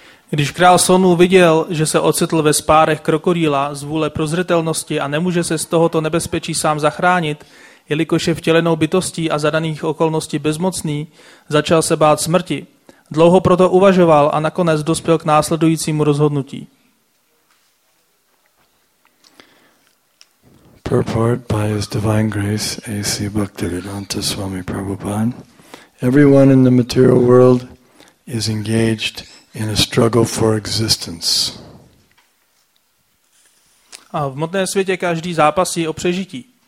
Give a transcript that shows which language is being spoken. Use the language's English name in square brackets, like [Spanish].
[Czech] Když král Sonu viděl, že se ocitl ve spárech krokodýla z vůle prozřetelnosti a nemůže se z tohoto nebezpečí sám zachránit, jelikož je vtělenou bytostí a zadaných okolností bezmocný, začal se bát smrti. Dlouho proto uvažoval a nakonec dospěl k následujícímu rozhodnutí. [English] Purport by His Divine Grace A.C. Bhaktivedanta Swami Prabhupada. Everyone in the material world is engaged in a struggle for existence. [Czech] A v hmotném světě každý zápasí o přežití.